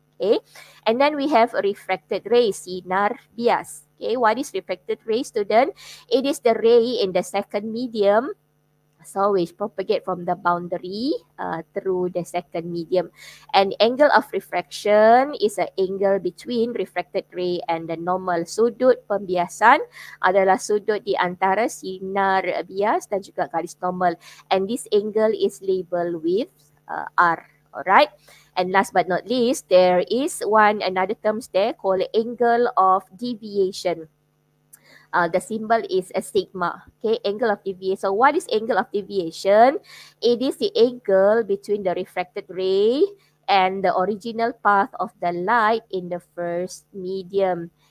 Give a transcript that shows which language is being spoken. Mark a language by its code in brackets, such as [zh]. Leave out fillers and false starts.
[en] Okay, and then we have refracted ray, [ms] sinar bias. [en] Okay, what is refracted ray, student? It is the ray in the second medium, so which propagate from the boundary through the second medium. And angle of refraction is an angle between refracted ray and the normal. [ms] Sudut pembiasan adalah sudut di antara sinar bias dan juga garis normal. [en] And this angle is labeled with R. Alright. And last but not least, there is one another terms there called angle of deviation. The symbol is a sigma. Okay, angle of deviation. So what is angle of deviation? It is the angle between the refracted ray and the original path of the light in the first medium.